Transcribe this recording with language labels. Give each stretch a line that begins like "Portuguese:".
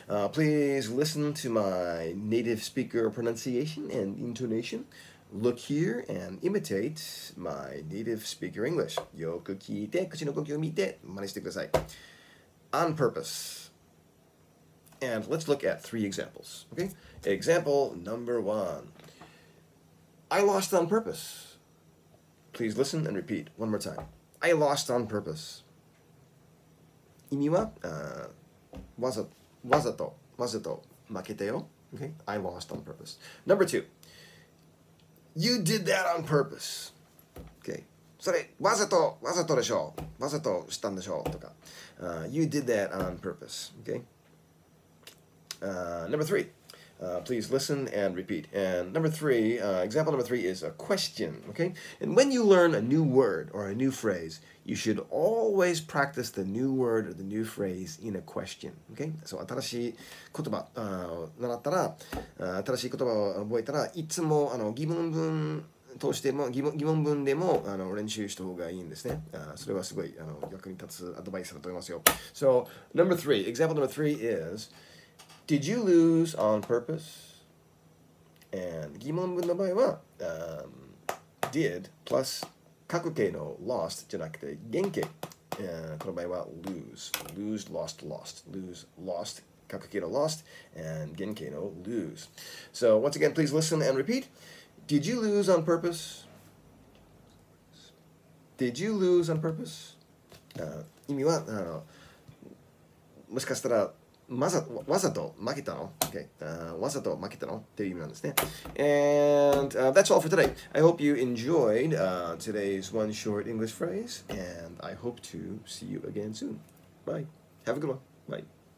English: Please listen to my native speaker pronunciation and intonation. Look here and imitate my native speaker English.
Japanese: よく聞いて、口の呼吸を見て、真似してください。
English: On purpose. And let's look at three examples. Okay? Example number one. I lost on purpose. Please listen and repeat one more time. I lost on purpose.
Japanese: 意味は、わざと負けてよ。
English: Okay? I lost on purpose. Number two. You did that on purpose. Okay.
Japanese: それわざとでしょう。わざとしたんでしょうとか。
English: You did that on purpose. Okay. Number three. Please listen and repeat. And number three, example number three is a question. Okay. And when you learn a new word or a new phrase, you should always practice the new word or the new phrase in a question. Okay.
Japanese: So 新しい言葉習ったら新しい言葉を覚えたらいつも疑問文通しても疑問文でも練習した方がいいんですね。それはすごい役に立つアドバイスだと思いますよ。
English: So number three, example number three is, did you lose on purpose?
Japanese: And 疑問文の場合は did plus過去形の lost じゃなくて原形。この場合は lose, lost, lost. 過去形の
English: lost and
Japanese: 原形の
English: lose. So once again, please listen and repeat. Did you lose on purpose? Did you lose on purpose?
Japanese: 意味は、もしかしたらわざと負けたの? Okay. わざと負けたの? っていう意味なんですね。
English: And that's all for today. I hope you enjoyed today's one short English phrase. And I hope to see you again soon. Bye. Have a good one. Bye.